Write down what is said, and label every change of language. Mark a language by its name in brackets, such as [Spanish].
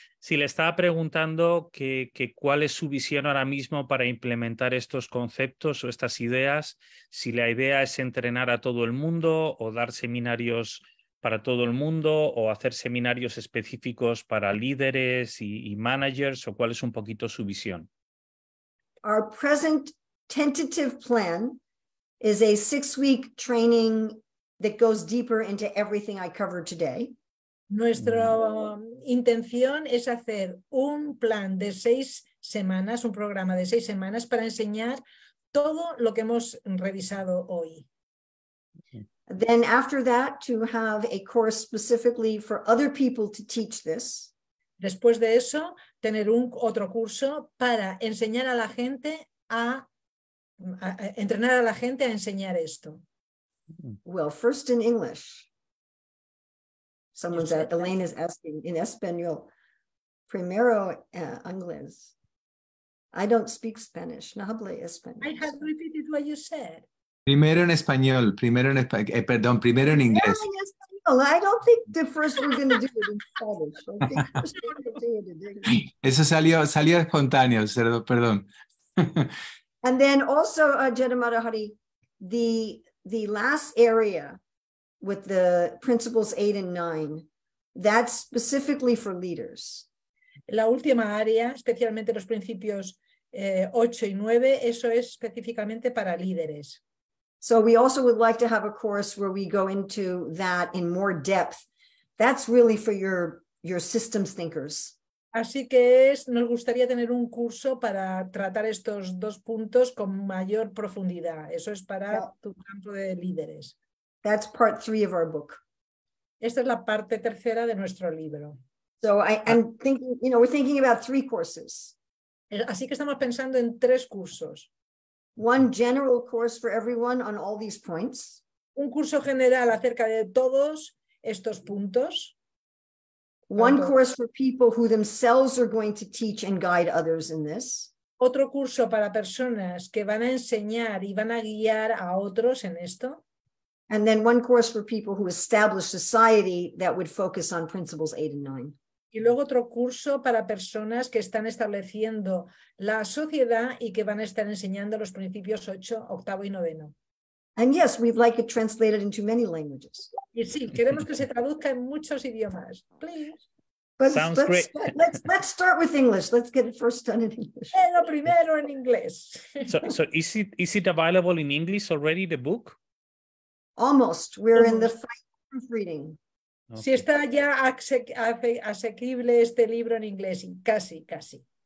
[Spanish] Sí, le estaba preguntando que cuál es su visión ahora mismo para implementar estos conceptos o estas ideas, si la idea es entrenar a todo el mundo o dar seminarios para todo el mundo o hacer seminarios específicos para líderes y managers, o cuál es un poquito su visión. [English] Our present tentative plan is a 6-week training that goes deeper into everything I covered today. [Spanish] Nuestra intención es hacer un plan de 6 semanas, un programa de 6 semanas para enseñar todo lo que hemos revisado hoy. [English] Then after that, to have a course specifically for other people to teach this. [Spanish] Después de eso, tener un otro curso para enseñar a la gente a entrenar a la gente a enseñar esto. [English] Well, first in English. Someone's asking, Elaine is asking in Espanol. [Spanish] Primero inglés. [English] I don't speak Spanish. [Spanish] No hablo español. [English] I have repeated what you said. [Spanish] Primero en español, primero en inglés. [English] I don't think the first we're going to do it in Spanish. I think we're going to do it in English. [Spanish] Eso salió espontáneo, perdón. [English] And then also, Jetta Madahari, the last area with the principles 8 and 9, that's specifically for leaders. [Spanish] La última área, especialmente los principios 8 y 9, eso es específicamente para líderes. [English] So we also would like to have a course where we go into that in more depth. That's really for your systems thinkers. [Spanish] Así que nos gustaría tener un curso para tratar estos 2 puntos con mayor profundidad. Eso es para tu campo de líderes. [English] That's part 3 of our book. [Spanish] Esta es la parte tercera de nuestro libro. [English] So I'm thinking, we're thinking about 3 courses. [Spanish] Así que estamos pensando en 3 cursos. [English] One general course for everyone on all these points. [Spanish] Un curso general acerca de todos estos puntos. [English] One course for people who themselves are going to teach and guide others in this. [Spanish] Otro curso para personas que van a enseñar y van a guiar a otros en esto. [English] And then one course for people who establish society that would focus on principles 8 and 9. [Spanish] Y luego otro curso para personas que están estableciendo la sociedad y que van a estar enseñando los principios 8, 8 y 9. [English] And yes, we'd like it translated into many languages. [Spanish] Y sí, queremos que se traduzca en muchos idiomas. [English] Please. But let's start with English. Let's get it first done in English. [Spanish] Pero primero en inglés. [English] So is it available in English already, the book? Almost. We're in the final proofreading. Okay. [Spanish] Si está ya asequible este libro en inglés, casi.